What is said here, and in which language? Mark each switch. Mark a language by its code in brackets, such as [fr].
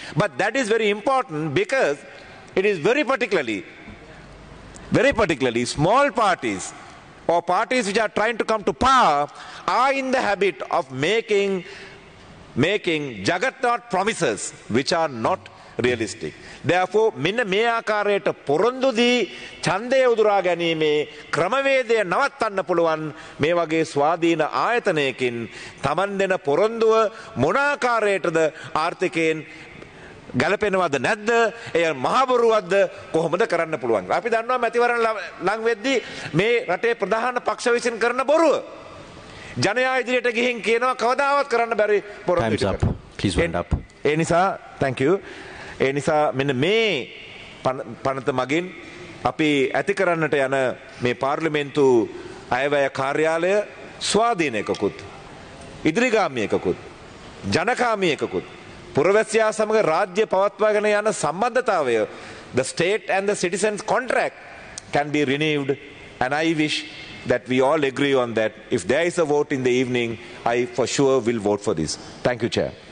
[en] But that is very important because it is very particularly small parties or parties which are trying to come to power are in the habit of making juggernaut promises which are not realistic. Therefore, [si] මෙන්න මේ ආකාරයට පොරොන්දු දී ඡන්දය උදුරා ගැනීමේ ක්‍රමවේදය නවත්තන්න පුළුවන් මේ වගේ ස්වාධීන ආයතනයකින් Taman දෙන පොරොන්දුව මොන ආකාරයටද ආර්ථිකයෙන් ගැලපෙනවද නැද්ද, එය මහබොරුවක්ද, කොහොමද කරන්න පුළුවන්? අපි දන්නවා මැතිවරණ ලං වෙද්දී මේ රටේ ප්‍රධාන පක්ෂ විසින් කරන බොරුව ජනයා ඉදිරියට ගිහින් කියනවා කවදාවත් කරන්න බැරි පොරොන්දු. ඒ නිසා [en] thank you. [si] ඒ නිසා මෙන්න මේ පනත මගින් අපි ඇති කරන්නට යන මේ පාර්ලිමේන්තු අයවැය කාර්යාලය ස්වාධීනයකකුත්, ඉදිරිගාමීයකකුත්, ජනකාමීයකකුත්, පුරවැසියා සමග රාජ්‍ය පවත්වාගෙන යන සම්බන්ධතාවය, [en] the state and the citizens contract can be renewed, and I wish that we all agree on that. If there is a vote in the evening, I for sure will vote for this. Thank you, Chair.